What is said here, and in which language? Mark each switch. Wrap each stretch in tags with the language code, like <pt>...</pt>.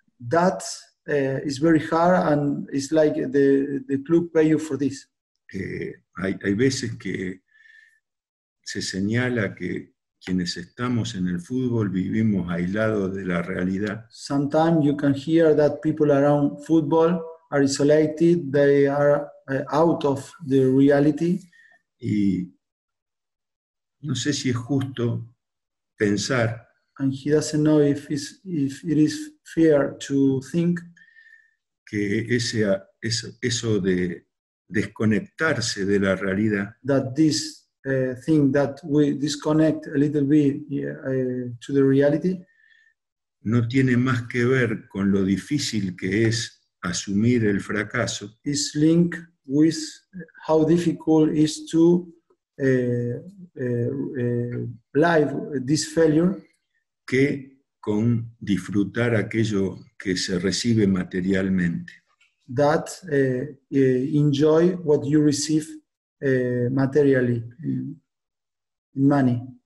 <en>That is very hard, and it's like the club pay you for this.</en> <es>Hay veces que se señala que quienes estamos en el fútbol vivimos aislados de la realidad.</es> <en>Sometimes you can hear that people around football are isolated, they are out of the reality.</en> <es>Y no sé si es justo pensar.</es> <en>And he doesn't know if it is fair to think</en> <es>que eso de desconectarse de la realidad.</es> <en>That this thing that we disconnect a little bit to the reality</en> <es>no tiene más que ver con lo difícil que es asumir el fracaso.</es> <en>Is linked with how difficult it is to live this failure</en> <es>que con disfrutar aquello que se recibe materialmente.</es> <en>That enjoy what you receive materially in money.</en>